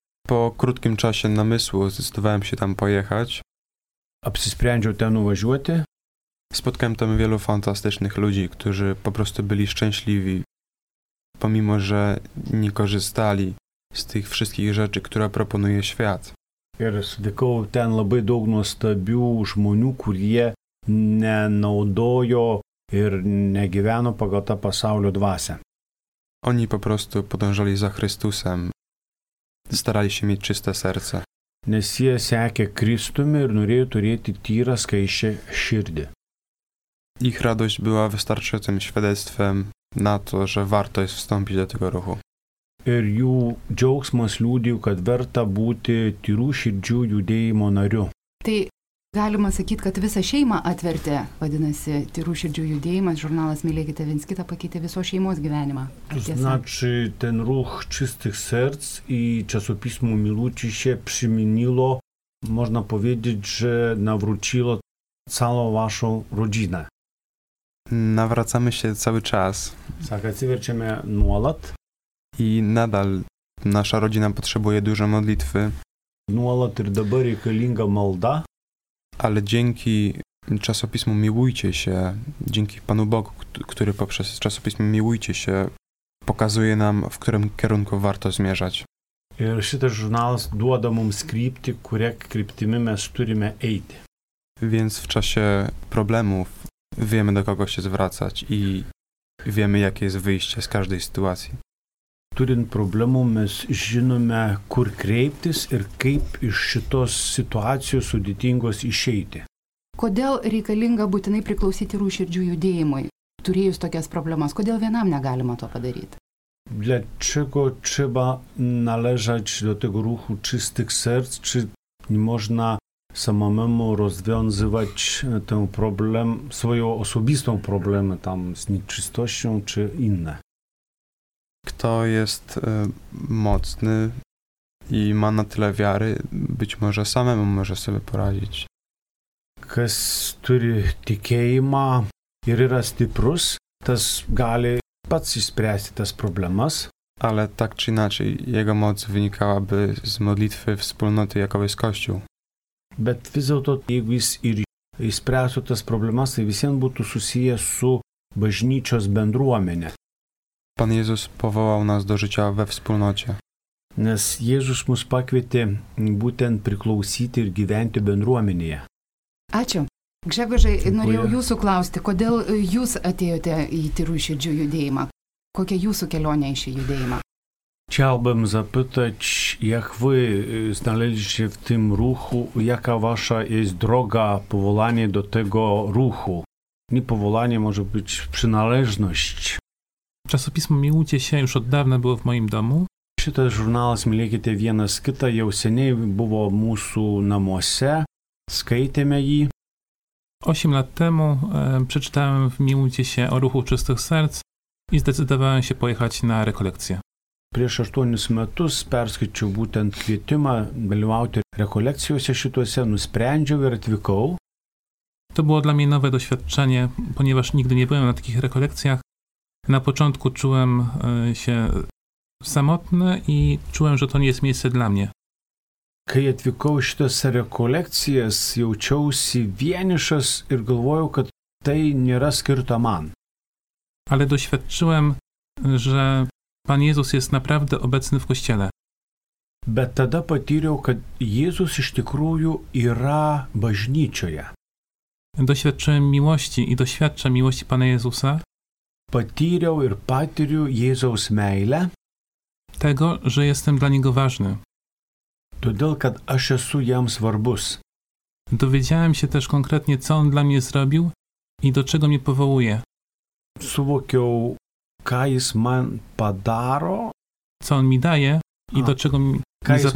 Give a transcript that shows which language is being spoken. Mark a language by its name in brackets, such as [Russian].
[Polish] Po krótkim czasie namysłu zdecydowałem się tam pojechać. [Lithuanian] Apsisprendžiau ten nuvažiuoti. [Polish] Spotkałem tam wielu fantastycznych ludzi, którzy po prostu byli szczęśliwi, pomimo że nie korzystali z tych wszystkich rzeczy, które proponuje świat. [Lithuanian] Ir sutikau ten labai daug nuostabių žmonių, kurie nenaudojo ir negyveno pagal tą pasaulio dvasę. [Polish] Oni po prostu podążali za Chrystusem, starali się mieć czyste serce. [Lithuanian] Nes jie sekė Kristumi ir norėjo turėti tyrą skaisčią širdį. [Polish] Ich radość była wystarczającym świadectwem na to, że warto jest wstąpić do tego ruchu. [Lithuanian] Ir jų džiaugsmas liūdijų, kad verta būti tyrų širdžių judėjimo nariu. Tai galima sakyti, kad visą šeimą atvertė, vadinasi, tyrų širdžių judėjimas, žurnalas Mylėkite viens kitą pakeitė viso šeimos gyvenimą. [Polish] Znači, ten ruch čistych serc i časopismo Miłujcie się przyminilo, można powiedzieć, że navrčilo całą vašą rodzinę. Navracamy się cały czas. [Lithuanian] Sakai, atsiverčiame nuolat. [Polish] I nadal nasza rodzina potrzebuje dużo modlitwy. [Lithuanian] Nuolat ir dabar reikalinga malda. [Polish] Ale dzięki czasopismu Miłujcie się, dzięki Panu Bogu, który poprzez czasopismo Miłujcie się pokazuje nam, w którym kierunku warto zmierzać. [Lithuanian] Ir šitas žurnalas duoda mums kryptį, kuria kryptimi mes turime eiti. [Polish] Więc w czasie problemów wiemy, do kogo się zwracać i wiemy, jakie jest wyjście z każdej sytuacji. [Lithuanian] Turint problemų, mes žinome, kur kreiptis ir kaip iš šitos situacijos sudėtingos išeiti. Kodėl reikalinga būtinai priklausyti rūširdžių judėjimui, turėjus tokias problemas? Kodėl vienam negalima to padaryti? [Polish] Dlaczego trzeba należać do tego ruchu czystych serc, czy nie można samamemu rozwiązywać tę problem, swoją osobistą problemę tam z nieczystością, czy inne? Kto jest mocny i ma na tyle wiary, być może samemu może sobie poradzić. [Lithuanian] Kas turi tikėjimą ir yra stiprus, tas gali pats išspręsti tas problemas. [Polish] Ale tak czy inaczej, jego moc wynikałaby z modlitwy wspólnoty, jaką jest Kościół. [Lithuanian] Bet vis dėlto, jeigu jis ir išspręsų tas problemas, tai visiems būtų susiję su bažnyčios bendruomenė. [Polish] Pan Jezus powołał nas do życia we wspólnocie. [Lithuanian] Nes Jezus mus pakvietė būtent priklausyti ir gyventi bendruomenėje. Ačiū. Grzegorzai, norėjau jūsų klausti, kodėl jūs atėjote į tyrų širdžių judėjimą? Kokia jūsų kelionė į šį judėjimą? [Polish] Chciałbym zapytać, jak wy znaleźliście się w tym ruchu, jaka wasza jest droga, powołanie do tego ruchu? Nie powołanie, może być przynależność. Czasopismo Miłucie się już od dawna było w moim domu. [Lithuanian] Šitas žurnalas Mylėkite vienas kitą jau seniai buvo mūsų namuose, skaitėme jį. [Polish] 8 lat temu przeczytałem w Miłucie się o ruchu czystych serc i zdecydowałem się pojechać na rekolekcję. [Lithuanian] Prieš 8 metus perskaičiau būtent kvietimą dalyvauti rekolekcijose šituose, nusprendžiau ir atvykau. [Polish] To było dla mnie nowe doświadczenie, ponieważ nigdy nie byłem na takich rekolekcjach. Na początku czułem się samotny i czułem, że to nie jest miejsce dla mnie. Kiedy [Lithuanian] atvykau šitose rekolekcijas, jaučiausi vienišas ir galvojau, kad tai nėra skirta man. [Polish] Ale doświadczyłem, że Pan Jezus jest naprawdę obecny w Kościele. [Lithuanian] Bet tada patyriau, kad Jezus iš tikrųjų yra bažnyčioje. [Polish] Doświadczyłem miłości i doświadczam miłości Pana Jezusa. [Lithuanian] Patyriau ir patyriu Jezus meilę. [Polish] Tego, że jestem dla Niego ważny. [Lithuanian] Todėl, kad aš esu jam svarbus. [Polish] Dowiedziałem się też konkretnie, co On dla mnie zrobił i do czego mnie powołuje. [Lithuanian] Suvokiau, ką jis man padaro. [Polish] Co On mi daje i do czego mnie zaprasza.